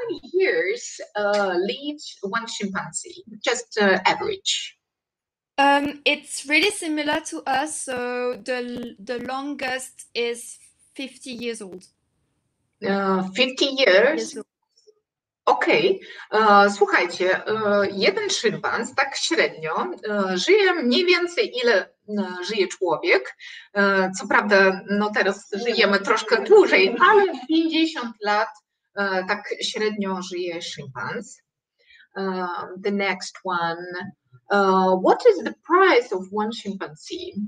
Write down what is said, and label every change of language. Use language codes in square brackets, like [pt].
[en] How many years lives one chimpanzee? Just average. It's really similar to us, so the longest is 50 years old. 50 years? [pl] Okej, słuchajcie, jeden szympans, tak średnio, żyje mniej więcej ile żyje człowiek. Co prawda, no teraz żyjemy troszkę dłużej, ale 50 lat tak średnio żyje szympans. [en] The next one. What is the price of one chimpanzee?